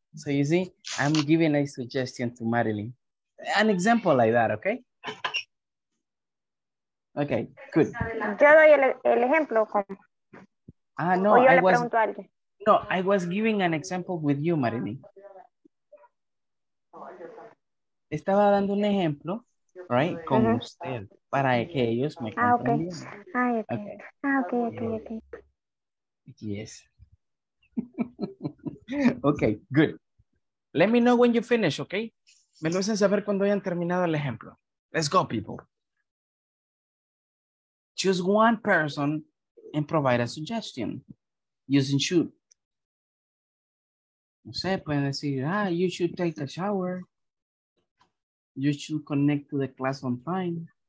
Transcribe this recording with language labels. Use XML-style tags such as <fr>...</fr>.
<en>So you see, I'm giving a suggestion to Marilyn. An example like that, okay? Okay, good.</en> <es>Yo doy el ejemplo.</es> <en>I was giving an example with you, Marilyn.</en> <es>Estaba dando un ejemplo, right, con usted, para que ellos me comprendan.</es> <en>Okay. Yes. Okay, good. Let me know when you finish, okay?</en> <es>Me lo hacen saber cuando hayan terminado el ejemplo.</es> <en>Let's go, people. Choose one person and provide a suggestion using should.</en> <es>No sé, pueden decir,</es> <en>you should take a shower. You should connect to the class on time.</en>